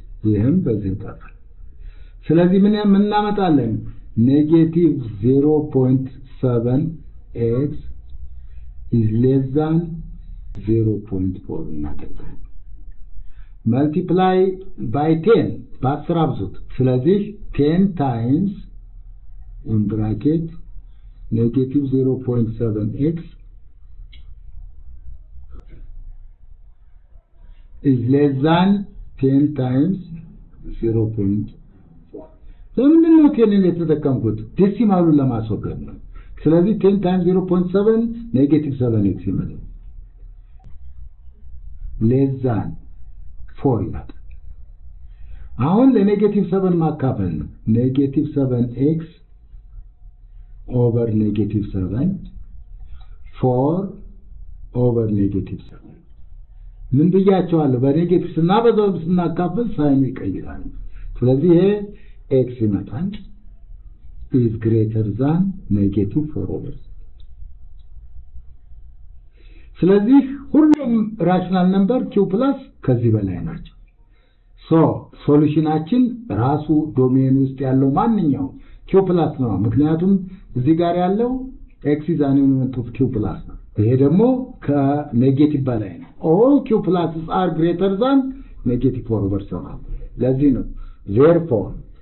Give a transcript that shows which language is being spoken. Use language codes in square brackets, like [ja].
[en] ይሄም በዚ ይጣፋል። [am] ስለዚህ ምን እናመጣለን [en] negative 0.7 x is less than 0.4 እናደርጋለን multiply by 10 10 አብዙት። ስለዚህ 10 times in bracket negative 0.7x is less than 10 times 0.4 [am] ለምንድን ነው 10 ነው የተጠቀምኩት? ዲሲማሉን ለማስወገድ ነው። ስለዚህ 10 times 0.7 negative 7x ይመጣል [en] less than 4 [am] ይመጣል። አሁን ለኔጌቲቭ 7 ማካፈል ነው ኔጌቲቭ 7x ኦቨር ኔጌቲቭ 7 4 ኦቨር ኔጌቲቭ 7 ምን ብያቸዋለሁ? በኔጌቲቭ ስና በዘብ ስናካፍል ሳይኑ ይቀይራል። ስለዚህ ይሄ x ይመጣል [en] is greater than negative 4 over. [am] ስለዚህ ሁሉም ራሽናል ነምበር q+ ከዚህ በላይ ናቸው። ሶ ሶሉሽናችን ራሱ ዶሜን ውስጥ ያለው ማንኛውም q+ ነው። ምክንያቱም እዚህ ጋር ያለው [en] x is an element of q+ [am] ነው። ይሄ ደግሞ ከኔጌቲቭ በላይ ነው። [en] all q+ is are greater than negative 4 over 7 [am] ለዚህ ነው therefore